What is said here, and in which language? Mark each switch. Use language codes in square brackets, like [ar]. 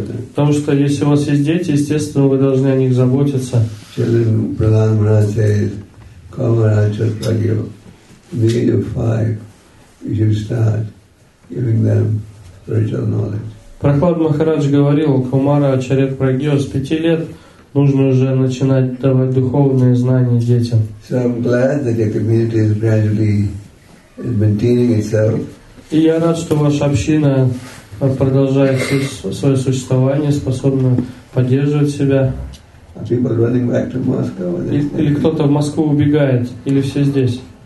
[ru] Потому что если у вас есть дети, естественно, вы должны о них заботиться. [en] Children, Pralhad Maharaj says, Kamaraj Chatpagyo, the age of 5, you should start giving them spiritual knowledge. [ru] Прохлад Махарадж говорил, Кумара Ачарет Прагьо, с 5 лет нужно уже начинать давать духовные знания детям. [en] So I'm glad that your community is gradually maintaining itself. [ru] И я рад, что ваша община продолжает свое существование, способно поддерживать себя. Или кто-то в Москву убегает, или все здесь.